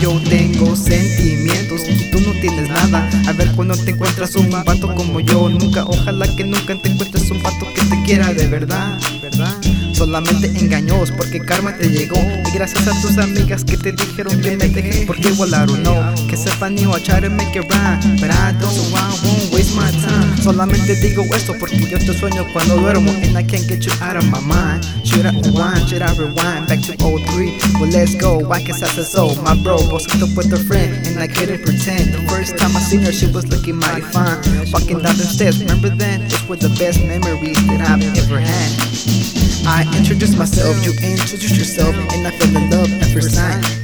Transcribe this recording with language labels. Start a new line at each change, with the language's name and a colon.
Spanish: Yo tengo sentimientos y tú no tienes nada. A ver cuando te encuentras un vato como yo. Nunca, ojalá que nunca te encuentres un vato que te quiera de verdad. Solamente engaños, porque karma te llegó. Y gracias a tus amigas que te dijeron que me dejé. Porque igual
English: I don't know,
Spanish: que sepan
English: you a try to make it right. But I don't, so I won't waste my time.
Spanish: Solamente digo esto porque yo te sueño cuando duermo.
English: And I can't get you out of my mind. Should I rewind, should I rewind back to 03? Well let's go, why can't I say so? My bro was hooked up with a friend and I couldn't pretend. The first time I seen her she was looking mighty fine. Walking down the stairs, remember then? Those were the best memories that I've ever had. I introduced myself, you introduced yourself, and I fell in love at first sight.